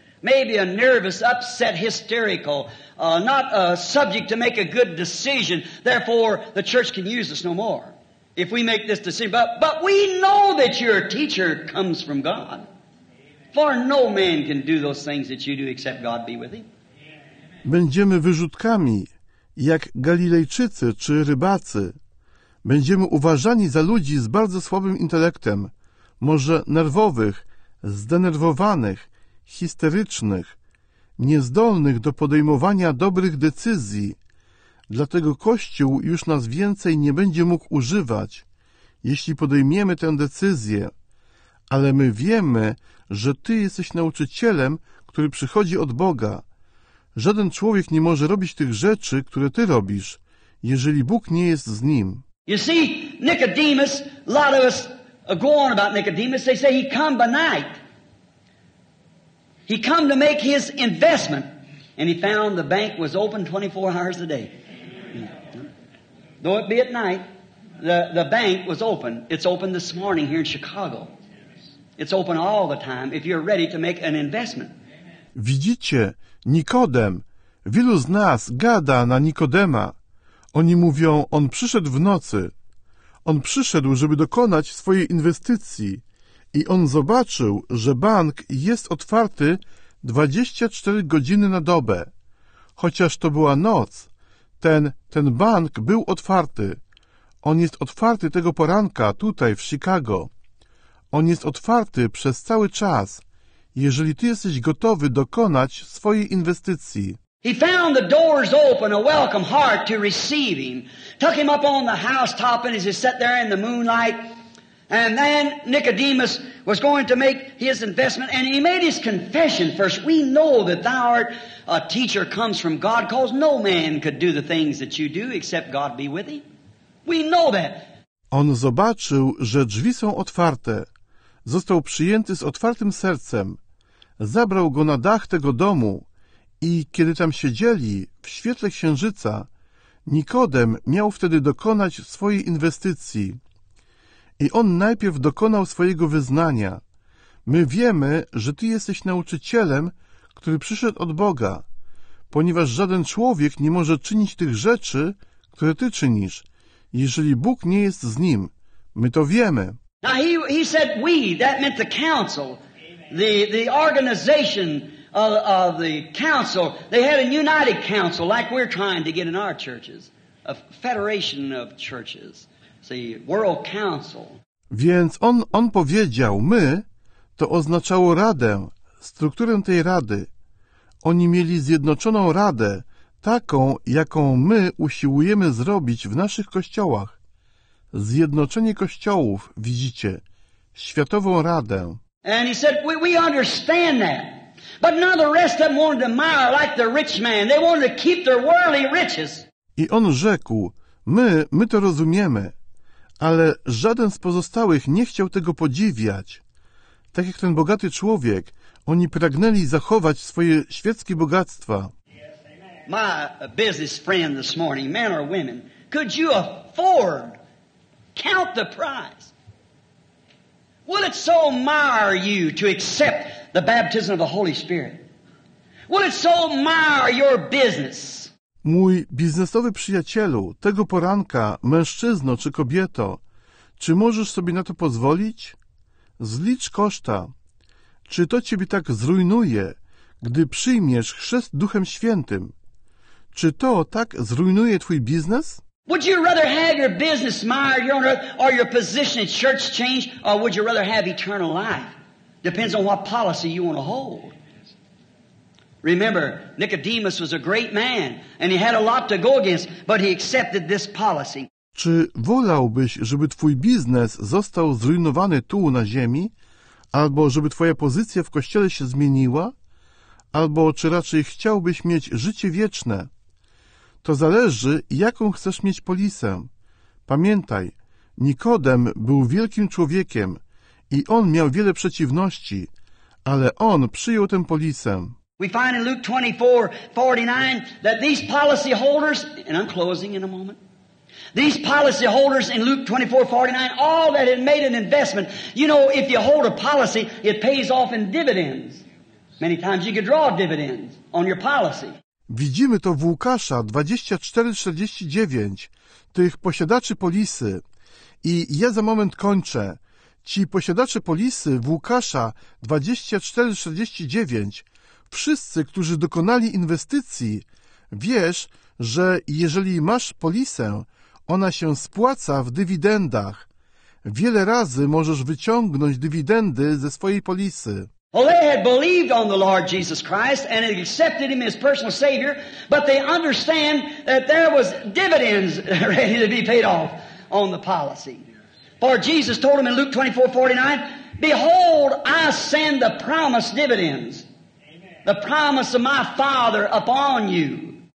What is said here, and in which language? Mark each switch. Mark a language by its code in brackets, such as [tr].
[en] Maybe a nervous, upset, hysterical, not a subject to make a good decision. Therefore, the church can use us no more if we make this decision. But we know that your teacher comes from God. For no man can do those things that you do except God be with him. [pl] Będziemy wyrzutkami, jak Galilejczycy czy rybacy. Będziemy uważani za ludzi z bardzo słabym intelektem, może nerwowych, zdenerwowanych, histerycznych, niezdolnych do podejmowania dobrych decyzji. Dlatego Kościół już nas więcej nie będzie mógł używać, jeśli podejmiemy tę decyzję. Ale my wiemy, że Ty jesteś nauczycielem, który przychodzi od Boga. Żaden człowiek nie może robić tych rzeczy, które Ty robisz, jeżeli Bóg nie jest z nim. [en] You see, Nicodemus, a lot of us go on about Nicodemus, they say he come by night. He come to make his investment, and he found the bank was open 24 hours a day. Though it be at night, the bank was open. It's open this morning here in Chicago. It's open all the time if you're ready to make an investment. [pl] Widzicie, Nikodem, wielu z nas gada na Nikodema. Oni mówią, on przyszedł w nocy. On przyszedł, żeby dokonać swojej inwestycji. I on zobaczył, że bank jest otwarty 24 godziny na dobę. Chociaż to była noc, ten bank był otwarty. On jest otwarty tego poranka tutaj w Chicago. On jest otwarty przez cały czas, jeżeli ty jesteś gotowy dokonać swojej inwestycji. [en] He found the doors open, a welcome heart to receive him. Took him up on the housetop and as he sat there in the moonlight. And then Nicodemus was going to make his investment, and he made his confession first. We know that thou art a teacher comes from God, because no man could do the things that you do except God be with him. We know that. [pl] On zobaczył, że drzwi są otwarte. Został przyjęty z otwartym sercem. Zabrał go na dach tego domu i kiedy tam siedzieli, w świetle księżyca, Nikodem miał wtedy dokonać swojej inwestycji. I on najpierw dokonał swojego wyznania. My wiemy, że ty jesteś nauczycielem, który przyszedł od Boga, ponieważ żaden człowiek nie może czynić tych rzeczy, które ty czynisz, jeżeli Bóg nie jest z nim. My to wiemy. [en] Now he said we, that meant the council, the organization of the council. They had a united council, like we're trying to get in our churches, a federation of churches. World Council. [pl] Więc on powiedział, my, to oznaczało radę, strukturę tej rady. Oni mieli zjednoczoną radę, taką, jaką my usiłujemy zrobić w naszych kościołach. zjednoczenie kościołów, widzicie, światową radę. [en] And he said, we understand that. But now the rest of them wanted to mire like the rich man. They wanted to keep their worldly riches. [pl] I on rzekł, my to rozumiemy, ale żaden z pozostałych nie chciał tego podziwiać. Tak jak ten bogaty człowiek, oni pragnęli zachować swoje świeckie bogactwa. [en] My business friend this morning, men or women, could you afford count the price? Will it so mire you to accept the baptism of the Holy Spirit? Will it so mire your business? [pl] Mój biznesowy przyjacielu, tego poranka, mężczyzno czy kobieto, czy możesz sobie na to pozwolić? Zlicz koszta. Czy to ciebie tak zrujnuje, gdy przyjmiesz chrzest Duchem Świętym? Czy to tak zrujnuje twój biznes? [en] Would you rather have your business mired here on earth or your position at church change, or would you rather have eternal life? Depends on what policy you want to hold. Remember, Nicodemus was a great man and he had a lot to go against, but he accepted this policy. [pl] Czy wolałbyś, żeby twój biznes został zrujnowany tu na ziemi, albo żeby twoja pozycja w kościele się zmieniła, albo czy raczej chciałbyś mieć życie wieczne? To zależy, jaką chcesz mieć polisę. Pamiętaj, Nikodem był wielkim człowiekiem i on miał wiele przeciwności, ale on przyjął tę polisę. [en] We find in Luke 24:49 that these policy holders, and I'm closing in a moment, these policy holders in Luke 24:49, all that had made an investment. You know, if you hold a policy, it pays off in dividends. Many times you could draw dividends on your policy. [pl] Widzimy to w Łukasza 24:49, tych posiadaczy polisy. I ja za moment kończę. Ci posiadacze polisy w Łukasza 24:49, wszyscy, którzy dokonali inwestycji, wiesz, że jeżeli masz polisę, ona się spłaca w dywidendach. Wiele razy możesz wyciągnąć dywidendy ze swojej polisy. [en] Well, they had believed on the Lord Jesus Christ and had accepted him as personal Savior, but they understand that there was dividends ready to be paid off on the policy. For Jesus told them in Luke 24:49, behold, I send the promised dividends, the promise of my Father upon you.